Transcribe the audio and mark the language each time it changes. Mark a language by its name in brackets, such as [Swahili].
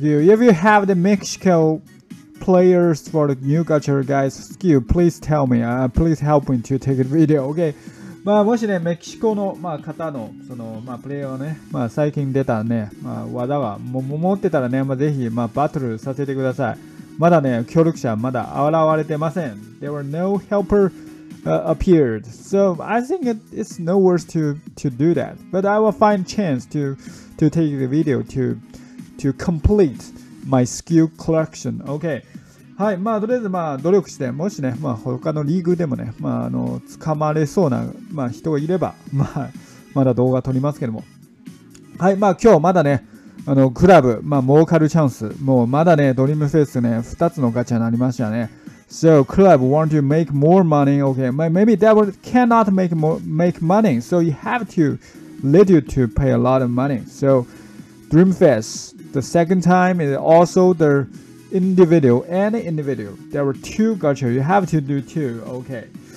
[English] If you have the Mexico players for the new culture guys skill, please tell me. Please help me to take a video, okay? [Japanese] まあもしね、メキシコの、まあ、方のそのまあプレイヤーをね、まあ最近出たね、まあ技は持ってたらね、まあぜひまあバトルさせてください。まだね、協力者まだ現れてません。 [English] There were no helperappeared. So I think it's no worse to do that. But I will find chance to take the video to complete my skill collection. Okay. はい。 [Japanese] まあ、とりあえず、まあ、努力して、もしね、まあ、他のリーグでもね、まあ、捕まれそうな、まあ、人がいれば、まあ、まだ動画撮りますけども。はい。まあ、今日まだね、クラブ、まあ、儲かるチャンス。もう、まだね、ドリームフェイスね、二つのガチャになりましたね。 [English] So, club want to make more money, okay. Maybe that cannot make money, so you have to lead you to pay a lot of money. So, Dreamfest, the second time is also the individual. There were two gacha, you have to do two, okay.